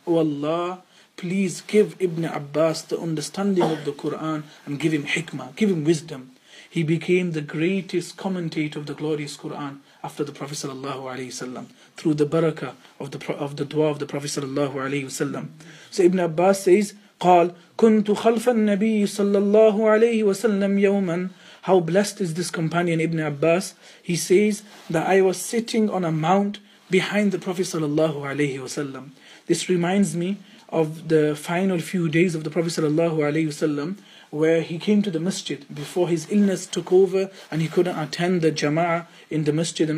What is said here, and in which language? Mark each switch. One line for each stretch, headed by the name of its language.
English: Oh Allah, please give Ibn Abbas the understanding of the Quran and give him hikmah, give him wisdom. He became the greatest commentator of the glorious Quran after the Prophet sallallahu alaihi wasallam through the barakah of the dua of the Prophet sallallahu alaihi wasallam. So Ibn Abbas says,
Arabic: قال كنت خلف النبي صلى الله عليه وسلم يوما.
English: How blessed is this companion Ibn Abbas? He says that I was sitting on a mount behind the Prophet sallallahu alaihi wasallam. This reminds me of the final few days of the Prophet sallallahu alaihi wasallam, where he came to the masjid before his illness took over and he couldn't attend the jama'ah in the masjid.